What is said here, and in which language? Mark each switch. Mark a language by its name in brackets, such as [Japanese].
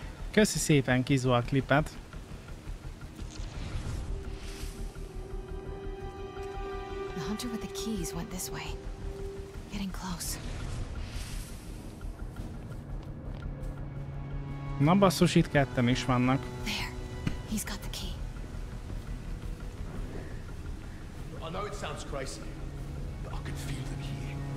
[Hungarian] Köszi szépen, Kizu, a klipet. [English] The hunter with the keys went this way. Getting close. [Hungarian] Na basszus, itt ketten is vannak. [English] There. He's got the key. I know it sounds crazy, but I can feel them here.